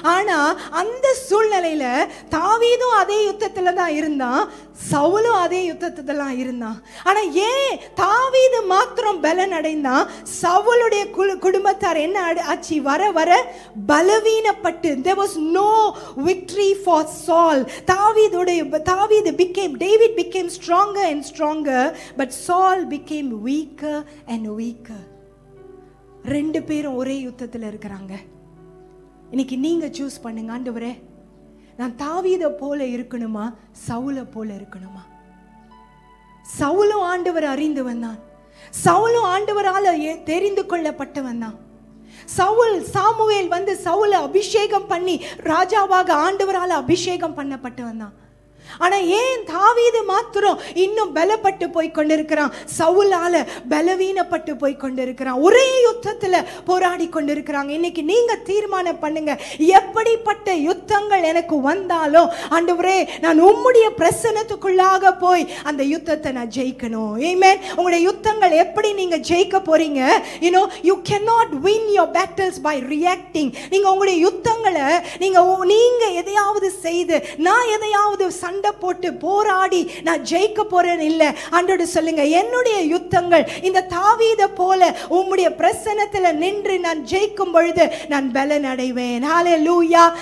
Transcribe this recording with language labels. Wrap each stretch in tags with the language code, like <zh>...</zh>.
<ta>ஆனா அந்த சூழ்நிலையில தாவீதும் அதே யுத்தத்துல தான் இருந்தான், சவுலும் அதே யுத்தத்துலாம் இருந்தான். ஆனா ஏன் தாவீது மாத்திரம் பலனடை, சவுலுடைய குடும்பத்தார் என்ன ஆச்சு? வர வர பலவீனப்பட்டு.</ta> <en>There was no victory for Saul. David became stronger and stronger, but Saul became weaker and weaker.</en> <ta>ரெண்டு பேரும் ஒரே யுத்தத்தில் இருக்கிறாங்க. இன்னைக்கு நீங்க சூஸ் பண்ணுங்க, ஆண்டவரே நான் தாவீத போல இருக்கணுமா, சவுல போல இருக்கணுமா? சவுலும் ஆண்டவர் அறிந்து வந்தான், சவுலும் ஆண்டவரால் தெரிந்து கொள்ளப்பட்டவன் தான். சவுல் சாமுவேல் வந்து சவுல அபிஷேகம் பண்ணி ராஜாவாக ஆண்டவரால் அபிஷேகம் பண்ணப்பட்டவன் தான். ஆனா ஏன் தாவீது மாத்திரம் இன்னும் பலப்பட்டு போய் கொண்டிருக்கிறான், சவுலால பலவீனப்பட்டு போய் கொண்டிருக்கிறான், ஒரே யுத்தத்துல போராடி கொண்டிருக்கிறாங்க. இன்னைக்கு நீங்க தீர்மானம் பண்ணுங்க, எப்படிப்பட்ட யுத்தங்கள் எனக்கு வந்தாலும் ஆண்டவரே நான் உம்முடைய பிரசன்னத்துக்குள்ளாக போய் அந்த யுத்தத்தை நான் ஜெயிக்கணும். ஆமென். உங்களுடைய யுத்தங்கள் எப்படி நீங்க ஜெயிக்க போறீங்க?</ta> <en>You know, you cannot win your battles by reacting.</en> <ta>நீங்க உங்களுடைய யுத்தங்களை நீங்க எதையாவது செய்து நான் எதையாவது சண்டை போட்டு போராடி நான் ஜெயிக்க போறேன் இல்ல, ஆண்டவர் சொல்லுங்க என்னுடைய யுத்தங்கள் இந்த தாவீத போல உம்முடைய பிரசன்னத்துல நின்று நான் ஜெயிக்கும் பொழுது நான் பலன் அடைவேன். ஹல்லேலூயா.</ta>